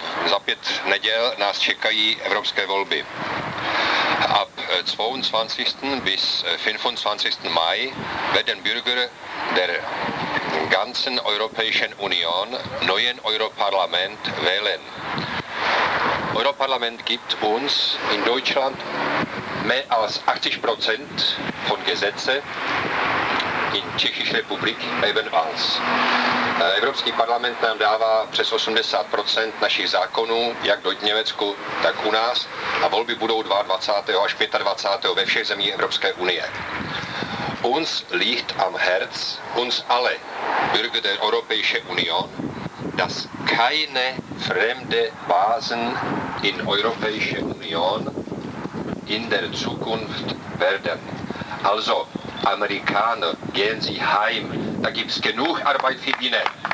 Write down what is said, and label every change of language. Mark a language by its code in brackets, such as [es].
[cs] Za pět neděl nás čekají evropské volby. [de] Ab 22. bis 25. Mai werden Bürger der ganzen Europäischen Union neuen Europarlament wählen. Europarlament gibt uns in Deutschland mehr als 80% von Gesetzen, in Tschechische Republik ebenfalls. [cs] Evropský parlament nám dává přes 80% našich zákonů, jak do Německu, tak u nás, a volby budou 22. až 25. ve všech zemích Evropské unie. [de] Uns liegt am Herz, uns alle Bürger der Europäischen Union, dass keine fremde Basen in Europäische Union in der Zukunft werden. Also, Amerikaner, gehen Sie heim, da gibt es genug Arbeit für Ihnen.